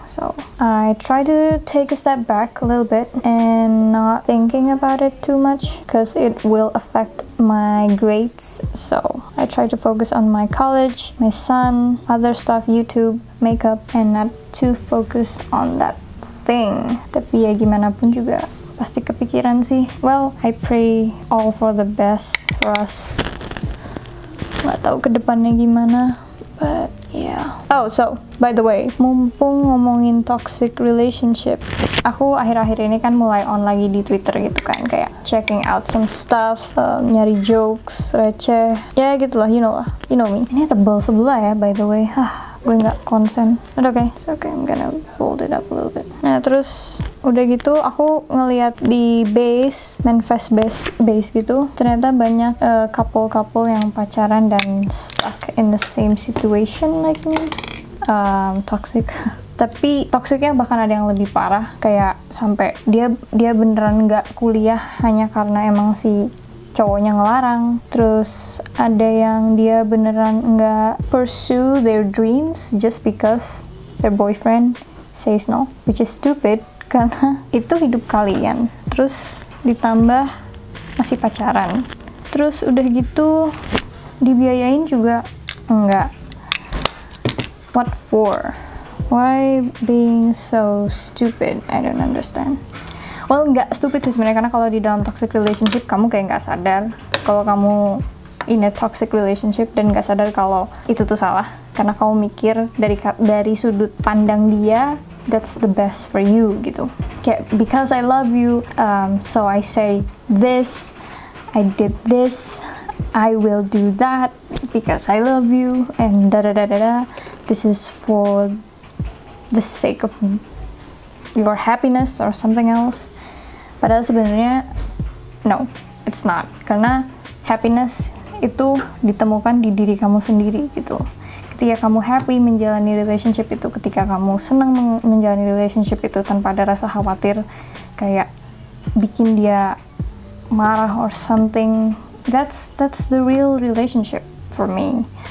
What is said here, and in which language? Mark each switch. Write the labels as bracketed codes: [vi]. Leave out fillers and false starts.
[en] So I try to take a step back a little bit and not thinking about it too much, because it will affect my grades. So I try to focus on my college, my son, other stuff, YouTube, makeup, and not too focus on that thing. [id] Tapi ya gimana pun juga pasti kepikiran sih. [en] Well, I pray all for the best for us. [id] Gak tahu kedepannya gimana, [en] but yeah. Oh, so by the way, [id] mumpung ngomongin toxic relationship, aku akhir-akhir ini kan mulai on lagi di Twitter gitu kan, kayak [en] checking out some stuff, [id] nyari jokes receh, ya yeah, gitulah, you know lah, [en] you know me. [id] Ini tebal sebelah ya, [en] by the way. [id] Gue nggak konsen. [en] But okay, it's okay. I'm gonna fold it up a little bit. [id] Nah, terus udah gitu, aku ngeliat di base, manifest base gitu, ternyata banyak couple yang pacaran dan [en] stuck in the same situation like me. [id] Toxic. Tapi toksiknya bahkan ada yang lebih parah, kayak sampai dia beneran nggak kuliah hanya karena emang si cowoknya ngelarang. Terus ada yang dia beneran nggak [en] pursue their dreams just because their boyfriend says no, which is stupid, [id] karena itu hidup kalian. Terus ditambah masih pacaran, terus udah gitu dibiayain juga enggak. [en] What for? Why being so stupid? I don't understand. [id] Well, nggak stupid sih sebenarnya, karena kalau di dalam toxic relationship kamu kayak nggak sadar kalau kamu [en] in a toxic relationship, [id] dan nggak sadar kalau itu tuh salah, karena kamu mikir dari sudut pandang dia [en] that's the best for you [id] gitu. [en] Kayak because I love you, so I say this, I did this, I will do that because I love you, and da da da da da. This is for the sake of your happiness or something else. [id] Padahal sebenarnya [en] no, it's not. [id] Karena happiness itu ditemukan di diri kamu sendiri gitu. Ketika kamu happy menjalani relationship itu, ketika kamu senang menjalani relationship itu tanpa ada rasa khawatir kayak bikin dia marah [en] or something, that's the real relationship for me.